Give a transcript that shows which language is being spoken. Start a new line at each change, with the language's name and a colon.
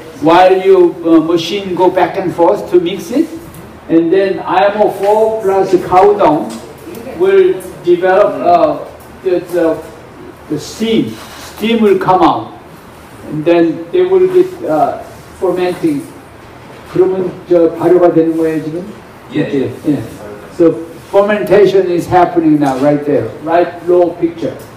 English: While you machine go back and forth to mix it, and then IMO4 plus cow dung will develop the steam. Steam will come out, and then they will be fermenting.
Korean: 그러면 저 발효가 되는 거예요 지금?
English: Yes. Yeah. So fermentation is happening now, right there, right low picture.